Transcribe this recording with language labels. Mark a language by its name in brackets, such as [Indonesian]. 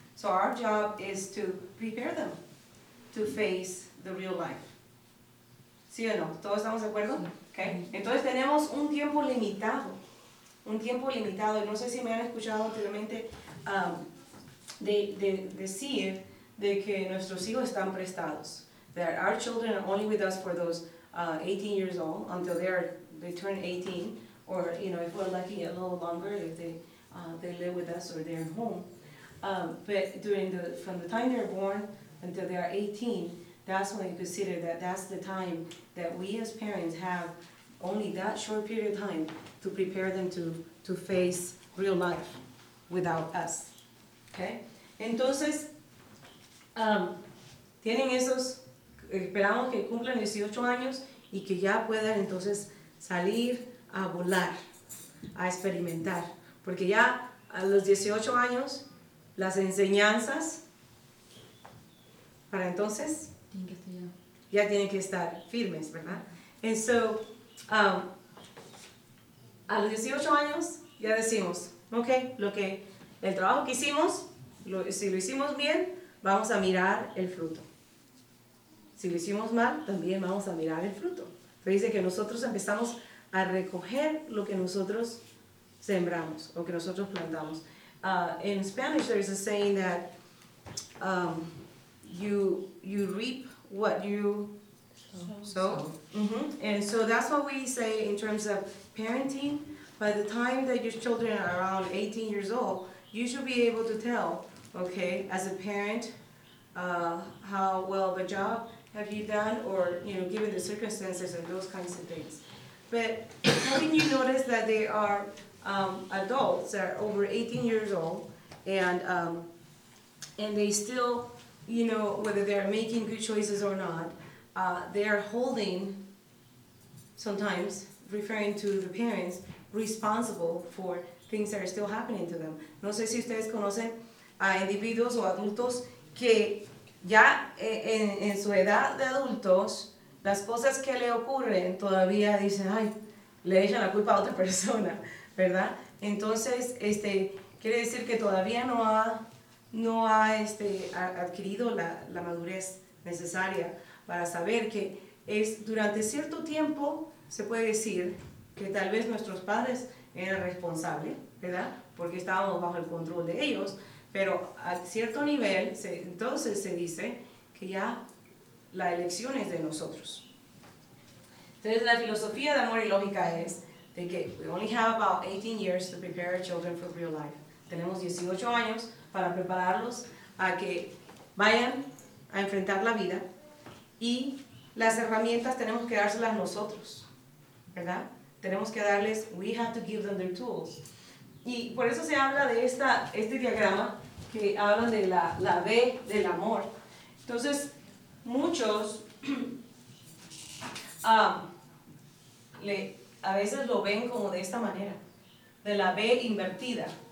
[English] So our job is to prepare them to face the real life. [Spanish] ¿Sí o no? ¿Todos estamos de acuerdo? Okay. Entonces, tenemos un tiempo limitado. Un tiempo limitado. No sé si me han escuchado anteriormente de decir de que nuestros hijos están prestados. [English] That our children are only with us for those 18 years old until they turn 18, or you know, if we're lucky, a little longer if they live with us or they're home. But during the from the time they're born until they are 18, that's when you consider that that's the time that we as parents have only that short period of time to prepare them to face real life without us. [Spanish] Okay? Entonces, tienen esos. Esperamos que cumplan 18 años y que ya puedan entonces salir a volar, a experimentar. Porque ya a los 18 años, las enseñanzas para entonces ya tienen que estar firmes, ¿verdad? [English] And so, [Spanish] a los 18 años ya decimos, ok, lo que, el trabajo que hicimos, si lo hicimos bien, vamos a mirar el fruto. Si lo hicimos mal, también vamos a mirar el fruto. Pero dice que nosotros empezamos a recoger lo que nosotros sembramos o que nosotros plantamos. [English] In Spanish, there is a saying that you reap what you sow. Mm-hmm. And so that's what we say in terms of parenting. By the time that your children are around 18 years old, you should be able to tell, okay, as a parent, how well the job have you done, or you know, given the circumstances and those kinds of things. But having you notice that they are adults that are over 18 years old, and they still, you know, whether they are making good choices or not, they are holding, sometimes referring to the parents, responsible for things that are still happening to them. [Spanish] No sé si ustedes conocen a individuos o adultos que ya en su edad de adultos, las cosas que le ocurren todavía dicen, ay, le echan la culpa a otra persona, ¿verdad? Entonces, este, quiere decir que todavía no ha adquirido la madurez necesaria para saber que es durante cierto tiempo se puede decir que tal vez nuestros padres eran responsables, ¿verdad? Porque estábamos bajo el control de ellos. Pero a cierto nivel, entonces se dice que ya la elección es de nosotros. Entonces la filosofía de amor y lógica es de que [English] we only have about 18 years to prepare our children for real life. [Spanish] Tenemos 18 años para prepararlos a que vayan a enfrentar la vida. Y las herramientas tenemos que dárselas nosotros, ¿verdad? Tenemos que darles, [English] we have to give them their tools. [Spanish] Y por eso se habla de este diagrama que hablan de la B del amor. Entonces, muchos a veces lo ven como de esta manera, de la B invertida.